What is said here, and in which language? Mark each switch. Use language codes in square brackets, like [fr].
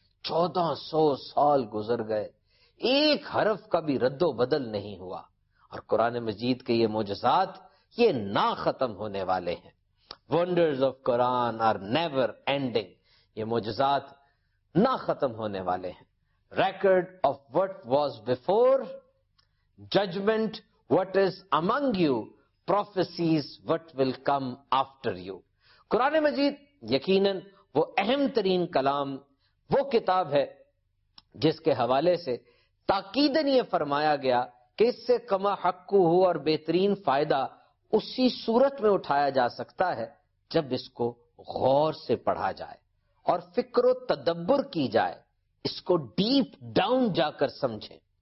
[ur] 1400 سال گزر گئے، ایک حرف کا بھی رد و بدل نہیں ہوا، اور قرآن مجید کے یہ معجزات یہ نہ ختم ہونے والے ہیں. [en] Wonders of Quran are never ending. [ur] یہ معجزات نہ ختم ہونے والے ہیں. [en] Record of what was before, judgment what is among you, prophecies what will come after you. [ur] قرآن مجید یقیناً وہ اہم ترین کلام، وہ کتاب ہے جس کے حوالے سے تاکیدن یہ فرمایا گیا کہ اس سے کما حق ہو اور بہترین فائدہ اسی صورت میں اٹھایا جا سکتا ہے جب اس کو غور سے پڑھا جائے اور فکر و تدبر کی جائے، اس کو ڈیپ ڈاؤن جا کر سمجھیں.